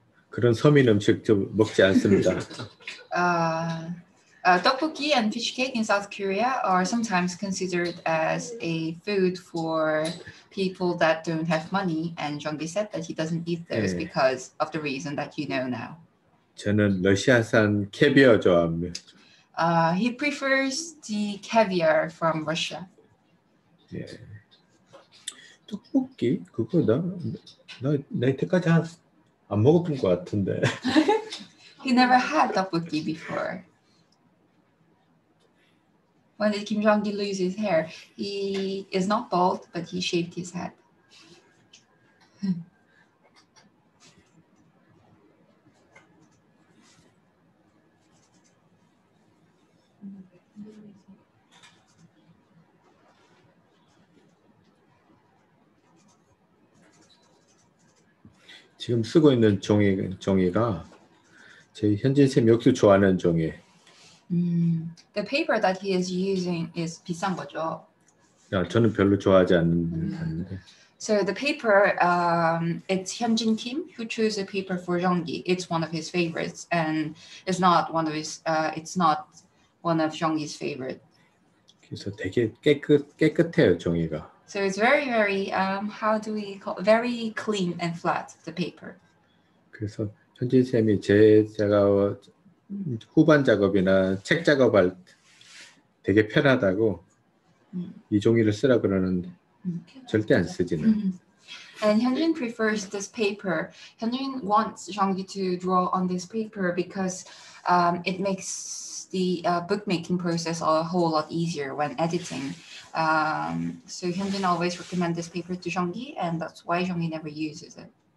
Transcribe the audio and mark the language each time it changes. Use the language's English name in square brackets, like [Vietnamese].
[Korean] 그런 서민 음식 좀 먹지 않습니다. [English] 떡볶이 and fish cake in South Korea are sometimes considered as a food for people that don't have money. And Zhongbi said that he doesn't eat those [Korean] 네. [English] because of the reason that you know now. [Korean] 저는 러시아산 캐비어 좋아합니다. [English] He prefers the caviar from Russia. [Korean] 예. 떡볶이 그거 나 이때까지 안 먹었던 것 같은데. [English] He never had tteokbokki before. When did Kim Jong-gi lose his hair? He is not bald, but he shaved his head. [Korean] (웃음) 지금 쓰고 있는 종이가 저희 현진쌤 역시 좋아하는 종이. [English] The paper that he is using is [Korean] 비싼 거죠. 야, 저는 별로 좋아하지 않는데. [English] So the paper, it's Hyunjin Kim who chose a paper for Jeonggi. It's one of his favorites, and it's not one of his. It's not one of Jeonggi's favorite. [Korean] 그래서 되게 깨끗해요 종이가. [English] So it's very, very. How do we call it? Very clean and flat the paper. [Korean] 그래서 현진 쌤이 제가 후반 작업이나 책 작업할 되게 편하다고 이 종이를 쓰라 그러는데 절대 안 쓰지는. [English] And Hyunjin prefers this paper. Hyunjin wants Jeonggi to draw on this paper because it makes the bookmaking process a whole lot easier when editing. So Hyunjin always recommends this paper to Jeonggi, and that's why Jeonggi never uses it.